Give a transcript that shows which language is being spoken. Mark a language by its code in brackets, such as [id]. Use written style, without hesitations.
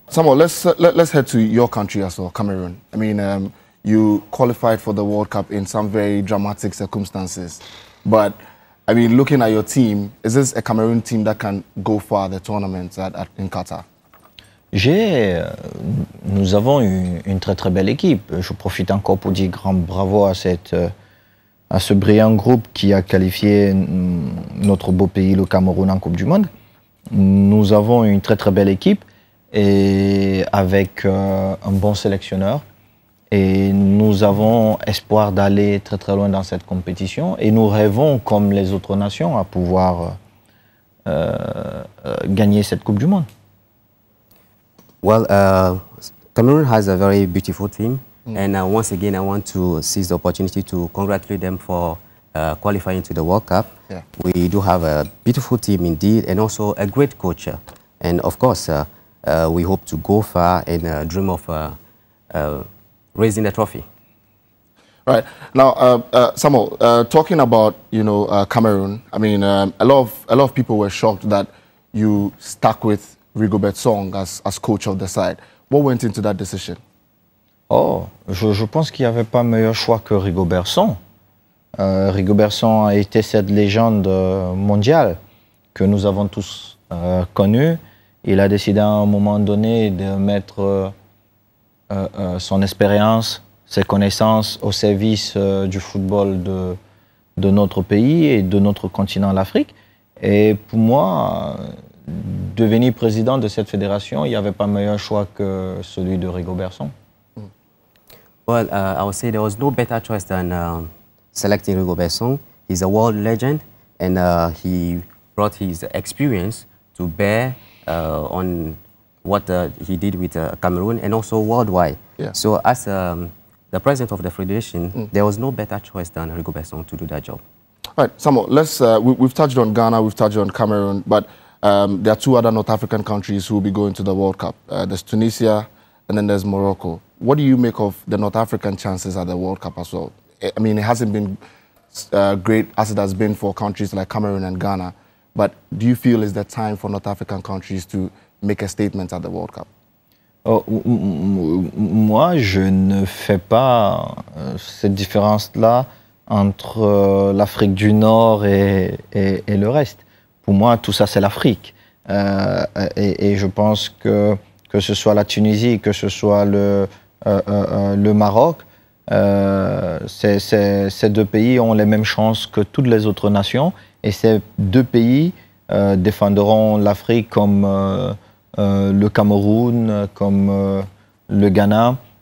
[en] Samuel, let's head to your country as well, Cameroon. I mean, you qualified for the World Cup in some very dramatic circumstances. But, I mean, looking at your team, is this a Cameroon team that can go far the tournament in Qatar? [fr] Nous avons une très très belle équipe. Je profite encore pour dire grand bravo à ce brillant groupe qui a qualifié notre beau pays, le Cameroun, en Coupe du Monde. Nous avons une très très belle équipe et avec un bon sélectionneur. Et nous avons espoir d'aller très très loin dans cette compétition. Et nous rêvons, comme les autres nations, à pouvoir gagner cette Coupe du Monde. [en] Well, Cameroon has a very beautiful team. And once again, I want to seize the opportunity to congratulate them for qualifying to the World Cup. Yeah. We do have a beautiful team indeed, and also a great coach. And of course, we hope to go far and dream of raising the trophy. Right. Now, Samuel, talking about, you know, Cameroon, I mean, a lot of people were shocked that you stuck with Rigobert Song as coach of the side. What went into that decision? [fr] Oh, je pense qu'il n'y avait pas meilleur choix que Rigobert Song. Rigobert Song a été cette légende mondiale que nous avons tous connue. Il a décidé à un moment donné de mettre son expérience, ses connaissances au service du football de notre pays et de notre continent, l'Afrique. Et pour moi, devenir président de cette fédération, il n'y avait pas meilleur choix que celui de Rigobert Song. [en] Well, I would say there was no better choice than selecting Rigobert Song. He's a world legend, and he brought his experience to bear on what he did with Cameroon and also worldwide. Yeah. So as the president of the federation, there was no better choice than Rigobert Song to do that job. All right, Samuel, we've touched on Ghana, we've touched on Cameroon, but there are two other North African countries who will be going to the World Cup. There's Tunisia, and then there's Morocco. What do you make of the North African chances at the World Cup as well? I mean, it hasn't been great as it has been for countries like Cameroon and Ghana, but do you feel it's the time for North African countries to make a statement at the World Cup? [fr] Oh, moi, je ne fais pas cette différence-là entre l'Afrique du Nord et le reste. Pour moi, tout ça, c'est l'Afrique. Et je pense que ce soit la Tunisie, que ce soit le Maroc, ces deux pays ont les mêmes chances que toutes les autres nations, et ces deux pays défendront l'Afrique comme le Cameroun, comme le Ghana.